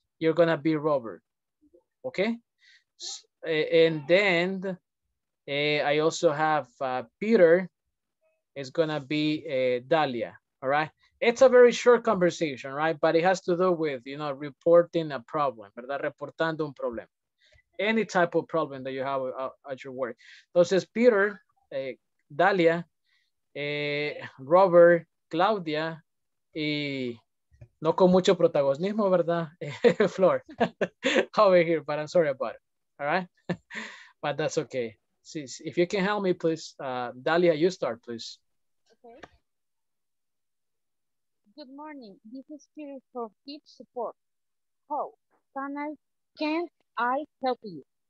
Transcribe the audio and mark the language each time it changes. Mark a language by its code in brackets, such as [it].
[en] You're gonna be Robert, okay? And then I also have Peter. It's gonna be Dahlia, all right? It's a very short conversation, right? But it has to do with, you know, reporting a problem, [es] ¿verdad? Reportando un problema. [en] Any type of problem that you have at your work. [es] Entonces, Peter, Dahlia, Robert, Claudia, y no con mucho protagonismo, ¿verdad? [en] Flor, over here, but I'm sorry about it, all right? But that's okay. Sis, if you can help me, please. Dahlia, you start, please. Okay. Good morning. This is Peter for Peach Support. How can I help you?